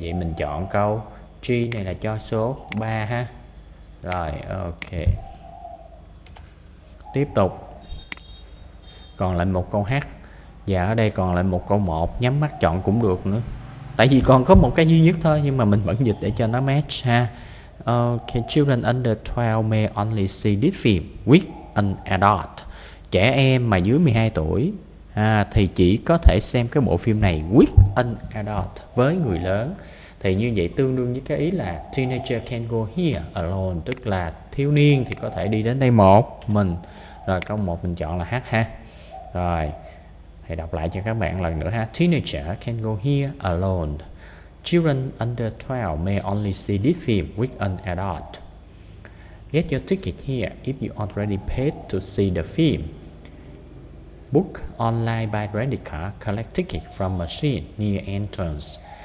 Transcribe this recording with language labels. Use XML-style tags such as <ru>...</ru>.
<vi>Vậy mình chọn câu G này là cho số 3 ha. Rồi ok. Tiếp tục. Còn lại một câu H. Và ở đây còn lại một câu 1. Nhắm mắt chọn cũng được nữa. Tại vì còn có một cái duy nhất thôi, nhưng mà mình vẫn dịch để cho nó match ha.</vi> <en>Ok, children under 12 may only see this film with an adult.</en> <vi>Trẻ em mà dưới 12 tuổi thì chỉ có thể xem cái bộ phim này</vi> <en>with an adult,</en> <vi>với người lớn. Thì như vậy tương đương với cái ý là</vi> <en>teenager can go here alone,</en> <vi>tức là thiếu niên thì có thể đi đến đây một mình. Rồi câu 1 mình chọn là H ha. Rồi thầy đọc lại cho các bạn lần nữa ha.</vi> <en>Teenager can go here alone. Children under 12 may only see this film with an adult. Get your ticket here if you already paid to see the film. Book online by credit card. Collect ticket from machine near entrance.</en>